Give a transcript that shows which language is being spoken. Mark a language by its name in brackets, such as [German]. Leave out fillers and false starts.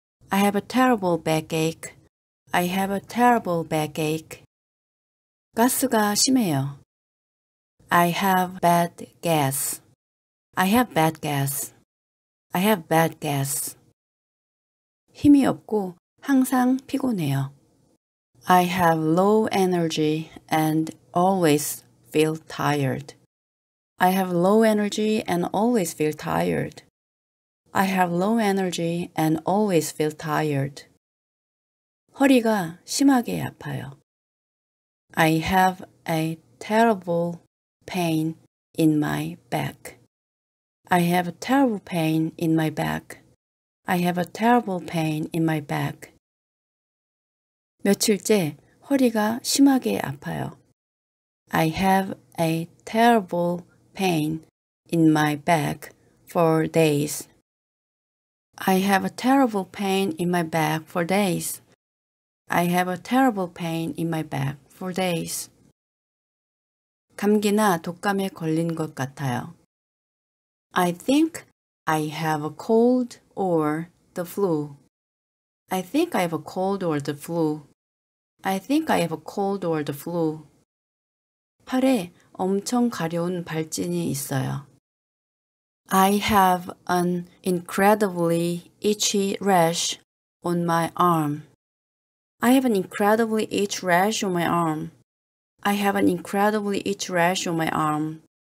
[English] I have a terrible backache. I have a terrible backache. [Korean] 가스가 심해요. [English] I have bad gas. I have bad gas. I have bad gas. [Korean] 힘이 없고 항상 피곤해요. [English] I have low energy and always feel tired. I have low energy and always feel tired. I have low energy and always feel tired. [Korean] 허리가 심하게 아파요. [English] I have a terrible pain in my back. I have a terrible pain in my back. I have a terrible pain in my back. [Korean] 며칠째 허리가 심하게 아파요. [English] I have a terrible pain in my back for days. I have a terrible pain in my back for days. I have a terrible pain in my back for days. [Korean] 감기나 독감에 걸린 것 같아요. [English] I think I have a cold or the flu. I think I have a cold or the flu. I think I have a cold or the flu. [Korean] 팔에 엄청 가려운 발진이 있어요. [English] I have an incredibly itchy rash on my arm. I have an incredibly itchy rash on my arm. I have an incredibly itchy rash on my arm.